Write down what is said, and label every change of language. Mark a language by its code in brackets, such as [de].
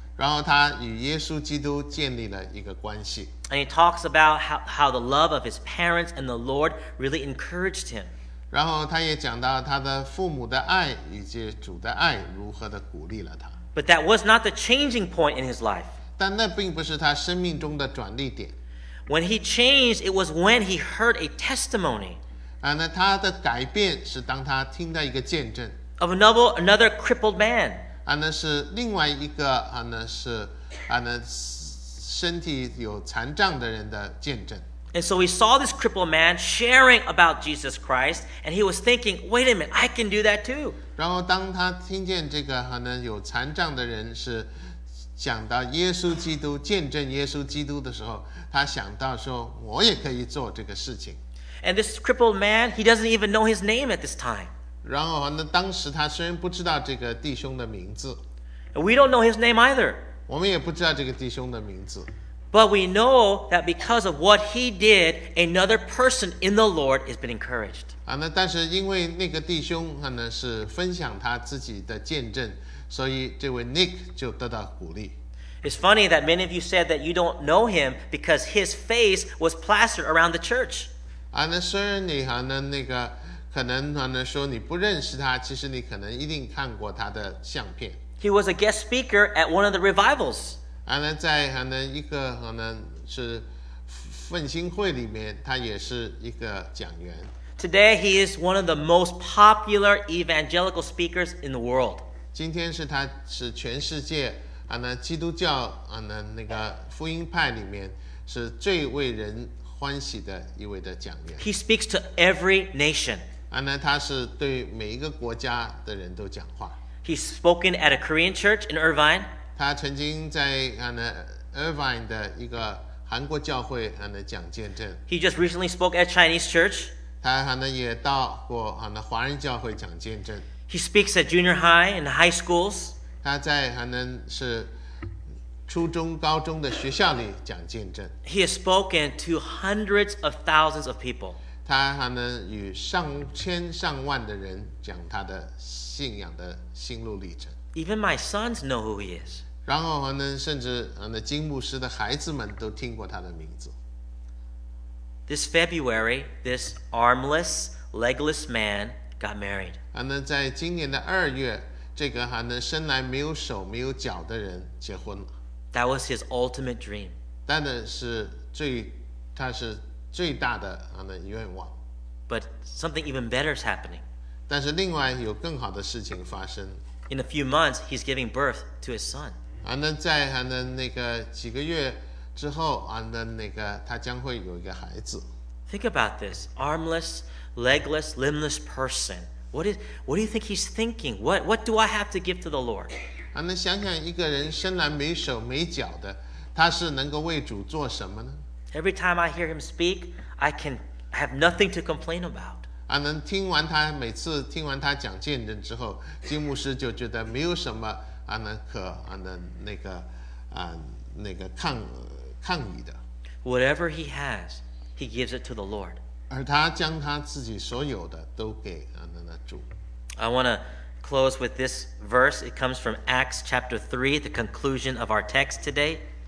[zh] 然后他与耶稣基督建立了一个关系。 [en] And he talks about how the love of his parents and the Lord really encouraged him. [zh] 然后他也讲到他的父母的爱以及主的爱如何的鼓励了他。 [en] But that was not the changing point in his life. [zh] 但那并不是他生命中的转捩点。 [en] When he changed, it was when he heard a testimony. [zh] 那他的改变是当他听到一个见证。 [en] Of another crippled man. [zh] 那是另外一个，那是，那身体有残障的人的见证。 [en] And so he saw this crippled man sharing about Jesus Christ, and he was thinking, wait a minute, I can do that too. [zh] 然后当他听见这个，那有残障的人是讲到耶稣基督，见证耶稣基督的时候，他想到说，我也可以做这个事情。 [en] And this crippled man, he doesn't even know his name at this time. [zh] 然后呢，当时他虽然不知道这个弟兄的名字。 [en] We don't know his name either. [zh] 我们也不知道这个弟兄的名字。 [en] But we know that because of what he did, another person in the Lord has been encouraged. [zh] 那但是因为那个弟兄呢，是分享他自己的见证，所以这位 Nick 就得到鼓励。 [en] It's funny that many of you said that you don't know him because his face was plastered around the church. [zh] 那虽然你可能说你不认识他，其实你可能一定看过他的相片。 [en] He was a guest speaker at one of the revivals. [zh] 那在一个是奉新会里面，他也是一个讲员。 [en] Today he is one of the most popular evangelical speakers in the world. [zh] 今天是他是全世界基督教福音派里面是最为人欢喜的一位的讲员。 [en] He speaks to every nation. [zh] 他是对每一个国家的人都讲话。 [en] He's spoken at a Korean church in Irvine. [zh] 他曾经在Irvine 的一个韩国教会讲见证。 [en] He just recently spoke at Chinese church. [zh] 他也到过华人教会讲见证。 [en] He speaks at junior high and high schools. [zh] 他在是初中高中的学校里讲见证。 [en] He has spoken to hundreds of thousands of people. [zh] 他与上千上万的人讲他的信仰的心路历程。 [en] Even my sons know who he is. [zh] 然后甚至金牧师的孩子们都听过他的名字。 [en] This February, this armless, legless man got married. [zh] 在今年的二月，这个生来没有手没有脚的人结婚了。 [en] That was his ultimate dream. [zh] 但是他是最大的愿望。 [en] But something even better is happening. [zh] 但是另外有更好的事情发生。 [en] In a few months, he's giving birth to his son. [zh] 在几个月之后，他将会有一个孩子。 [en] Think about this. Armless, legless, limbless person. What do you think he's thinking? What do I have to give to the Lord? [zh] 想想一个人生来没手没脚的，他是能够为主做什么呢？ [en] Every time I hear him speak, I can have nothing to complain about. [zh] 听完他每次听完他讲见证之后，金牧师就觉得没有什么抗议的。 [en] Whatever he has, he gives it to the Lord. [zh] 而他将他自己所有的都给主。 [en] I want to close with this verse. It comes from Acts chapter 3, the conclusion of our text today.